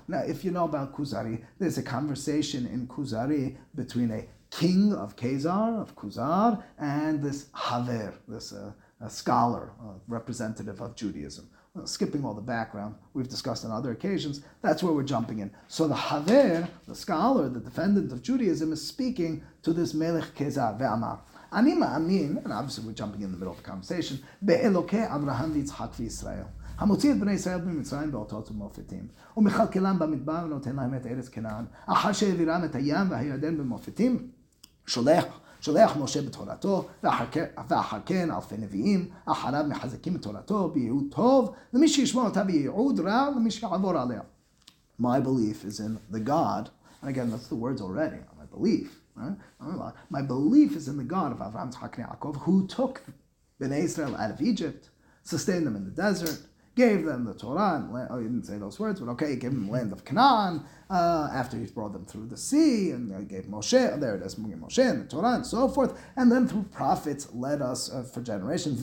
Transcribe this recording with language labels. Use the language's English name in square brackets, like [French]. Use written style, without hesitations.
[English] Now, if you know about Kuzari, there's a conversation in Kuzari between a king of Khazar, of Khuzar, and this haver, this a scholar, a representative of Judaism. Skipping all the background, we've discussed on other occasions, that's where we're jumping in. So the haver, the scholar, the defendant of Judaism, is speaking to this Melech Khazar, ve'amar. Anima amin, and obviously we're jumping in the middle of the conversation, [Hebrew] be'elokei Abraham v'Yitzhak v'Yisrael. המוציא את בני ישראל במצרים באותות ומופתים, ומכלכלם במדבר ונותן להם את ארץ כנען, אחר שהעבירם את הים והירדן במופתים, שולח משה בתורתו, ואחר כן אלפי נביאים, אחריו מחזקים את תורתו בייעוד טוב, למי שישמור אותה בייעוד רע, למי שיעבור עליה. [English] My belief is in the God, and again, that's the words already, my belief, Right? My belief is in the God of Avraham, Yitzchak, and Yaakov, who took Bnei Israel out of Egypt, sustained them in the desert, gave them the Torah, and land, oh, he didn't say those words, but okay, gave them the land of Canaan, after he's brought them through the sea, and gave Moshe, there it is, Moshe, and the Torah, and so forth, and then through prophets led us for generations.